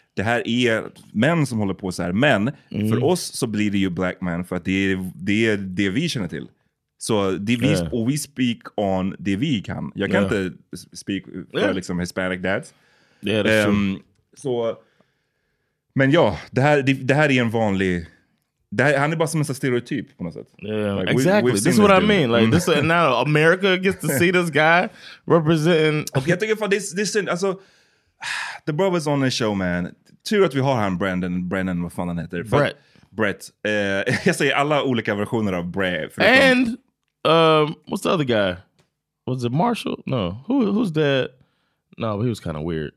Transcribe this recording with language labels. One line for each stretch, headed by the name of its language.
Swedish: Det här är män som håller på så här, men för oss så blir det ju black men för att det är det vi känner till. Så det vi, och vi speak on det vi kan. Jag kan inte speak för liksom Hispanic dads. Så men ja, det här är en vanlig. Han är bara som en stereotyp på något sätt.
English: Yeah, like, exactly. This is what I mean. Like, this, now America gets to see this guy representing. Okay,
Swedish: jag tycker för
English: this alltså, the brothers on the show, man.
Swedish: Tur att vi har han, Brandon, vad fan han heter. Brett. Jag säger alla olika versioner av Brett.
English: And, what's the other guy? Was it Marshall? No. Who's that? No, he was kind of weird.